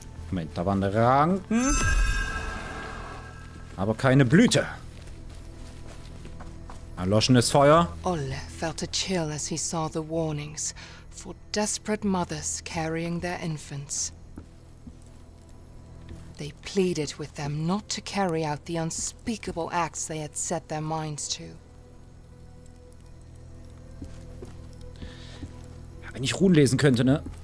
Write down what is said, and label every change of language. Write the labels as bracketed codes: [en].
[de] Moment, da waren Ranken, aber keine Blüte. Erloschenes Feuer. [en] Olle felt a chill as he saw the warnings for desperate mothers carrying their infants. They pleaded with them not to carry out the unspeakable acts they had set their minds to. [de] Wenn ich Runen lesen könnte, ne?